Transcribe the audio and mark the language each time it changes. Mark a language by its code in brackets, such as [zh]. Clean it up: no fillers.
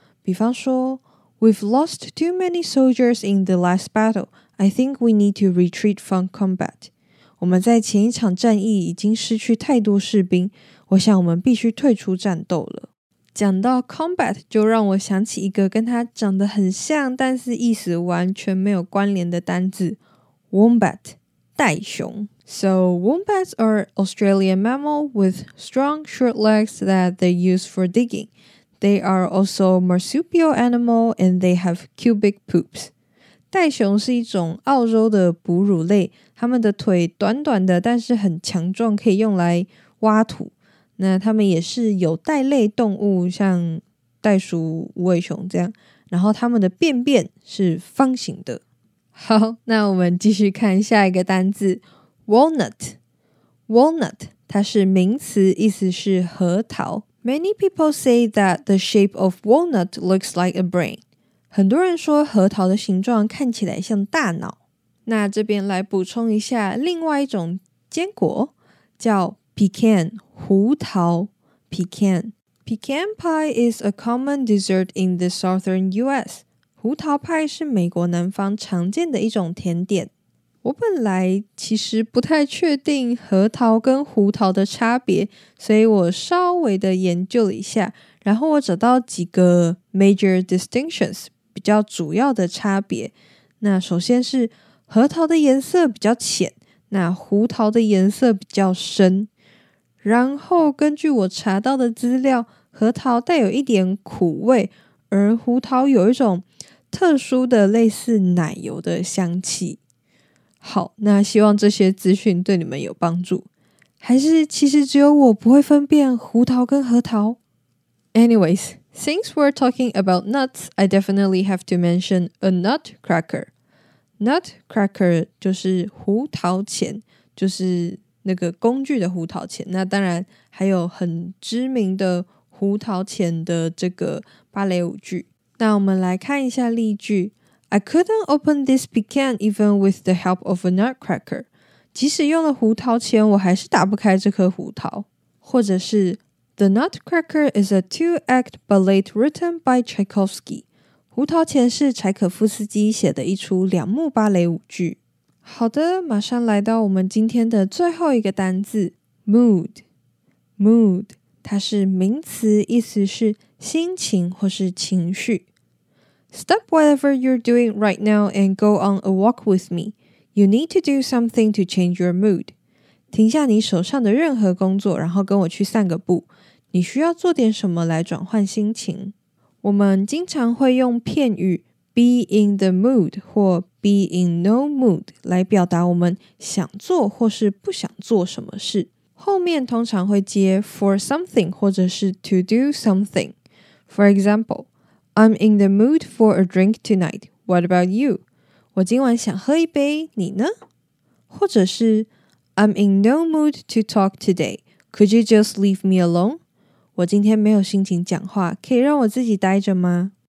[zh] 比方说 [en] We've lost too many soldiers in the last battle. I think we need to retreat from combat. [zh] 我们在前一场战役已经失去太多士兵，我想我们必须退出战斗了。讲到 combat 就让我想起一个跟它长得很像但是意思完全没有关联的单字， Wombat， 袋熊。 [en] So wombats are Australian mammal with strong short legs that they use for diggingThey are also marsupial animal and they have cubic poops. [zh] 袋熊是一种澳洲的哺乳类，它们的腿短短的但是很强壮，可以用来挖土。那它们也是有袋类动物，像袋鼠、无尾熊这样，然后它们的便便是方形的。好，那我们继续看下一个单字 walnut。 Walnut 它是名词，意思是核桃。 [en] Many people say that the shape of walnut looks like a brain. [zh] 很多人说核桃的形状看起来像大脑。那这边来补充一下另外一种坚果，叫 pecan, 胡桃 pecan. [en] Pecan pie is a common dessert in the southern US. [zh] 胡桃派是美国南方常见的一种甜点。我本来其实不太确定核桃跟胡桃的差别，所以我稍微的研究了一下，然后我找到几个 [en] major distinctions， [zh] 比较主要的差别。那首先是核桃的颜色比较浅，那胡桃的颜色比较深。然后根据我查到的资料，核桃带有一点苦味，而胡桃有一种特殊的类似奶油的香气。好，那希望这些资讯对你们有帮助。还是其实只有我不会分辨胡桃跟核桃？ [en] Anyways, since we're talking about nuts, I definitely have to mention a nutcracker. [zh] Nutcracker 就是胡桃钳，就是那个工具的胡桃钳。那当然还有很知名的胡桃钳的这个芭蕾舞剧。那我们来看一下例句。 [en] I couldn't open this pecan even with the help of a nutcracker. [zh] 即使用了胡桃钳，我还是打不开这颗胡桃。或者是 [en] The nutcracker is a two-act ballet written by Tchaikovsky. [zh] 胡桃钳是柴可夫斯基写的一出两幕芭蕾舞剧。好的，马上来到我们今天的最后一个单字 mood。 Mood 它是名词，意思是心情或是情绪。 [en] Stop whatever you're doing right now and go on a walk with me. You need to do something to change your mood. [zh] 停下你手上的任何工作，然后跟我去散个步。你需要做点什么来转换心情。我们经常会用片语 [en] be in the mood [zh] 或 [en] be in no mood [zh] 来表达我们想做或是不想做什么事。后面通常会接 [en] for something [zh] 或者是 [en] to do something。 For example, I'm in the mood for a drink tonight. What about you? [zh] 我今晚想喝一杯，你呢？或者是 [en] I'm in no mood to talk today. Could you just leave me alone? [zh] 我今天没有心情讲话，可以让我自己待着吗？